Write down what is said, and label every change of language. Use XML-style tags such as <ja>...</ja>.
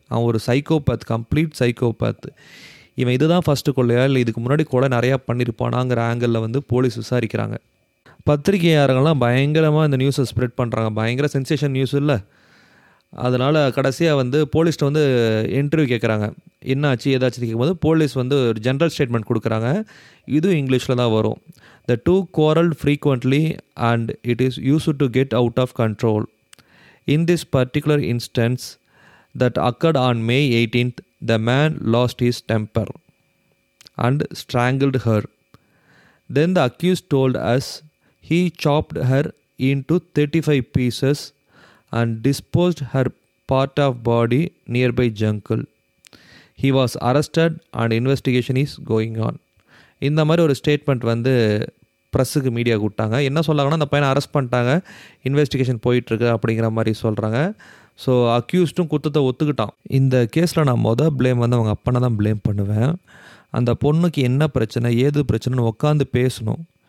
<ta>அவன் ஒரு psychopath, complete psychopath. இவன் இதுதான் ஃபஸ்ட்டு கொள்ளையா, இல்லை இதுக்கு முன்னாடி கொலை நிறையா பண்ணியிருப்பானாங்கிற ஆங்கிளில் வந்து போலீஸ் விசாரிக்கிறாங்க. பத்திரிகையாளர்கள்லாம் பயங்கரமாக இந்த நியூஸை ஸ்ப்ரெட் பண்ணுறாங்க, பயங்கர சென்சேஷன் நியூஸ் இல்லை. அதனால் கடைசியாக வந்து போலீஸ்ட்டு வந்து இன்டர்வியூ கேட்குறாங்க, என்னாச்சு ஏதாச்சும் கேட்கும்போது போலீஸ் வந்து ஒரு ஜென்ரல் ஸ்டேட்மெண்ட் கொடுக்குறாங்க. இதுவும் இங்கிலீஷில் தான் வரும்.</ta> <en>The two quarreled frequently and it is used to get out of control. In this particular instance that occurred on May 18th, the man lost his temper and strangled her. Then the accused told us he chopped her into 35 pieces and disposed her part of body nearby jungle. He was arrested and investigation is going on.</en> <ta>இந்த மாதிரி ஒரு statement வந்து ப்ரெஸ்ஸுக்கு media கூப்பிட்டாங்க. என்ன சொல்லாங்கன்னா, அந்த பையனை arrest பண்ணிட்டாங்க, investigation போயிட்டுருக்கு அப்படிங்கிற மாதிரி சொல்கிறாங்க. ஸோ அக்யூஸ்டும் குற்றத்தை ஒத்துக்கிட்டான். இந்த கேஸில் நான் மொதல் ப்ளேம் வந்து அவங்க அப்பனை தான் ப்ளேம் பண்ணுவேன். அந்த பொண்ணுக்கு என்ன பிரச்சனை ஏது பிரச்சனைன்னு உட்காந்து பேசணும்.</ta>